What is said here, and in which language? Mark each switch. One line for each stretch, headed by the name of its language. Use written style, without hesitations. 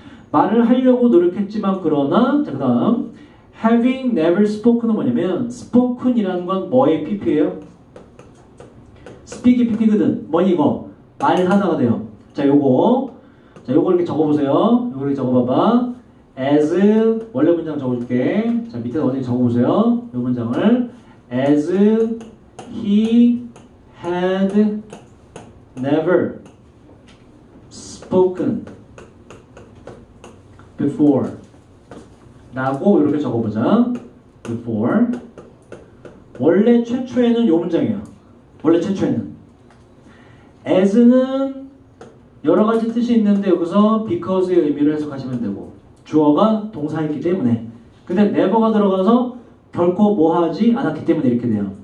Korean: 말을 하려고 노력했지만, 그러나, 자, 그 다음.
English: Having never spoken
Korean: 은 뭐냐면, spoken이라는 건 뭐의 PP예요? Speak이 PP거든. 뭐니 이거? 말하다가 돼요. 자, 요거. 자, 요거 이렇게 적어보세요. 요거 이렇게 적어봐봐. As, 원래 문장 적어줄게. 자, 밑에 어디 적어보세요. 요 문장을.
English: As he had never spoken before.
Korean: 라고 이렇게 적어보자. Before. 원래 최초에는 요 문장이야. 원래 최초에는. As는 여러 가지 뜻이 있는데 여기서 because의 의미를 해석하시면 되고 주어가 동사였기 때문에 근데 never가 들어가서 결코 뭐 하지 않았기 때문에 이렇게 돼요.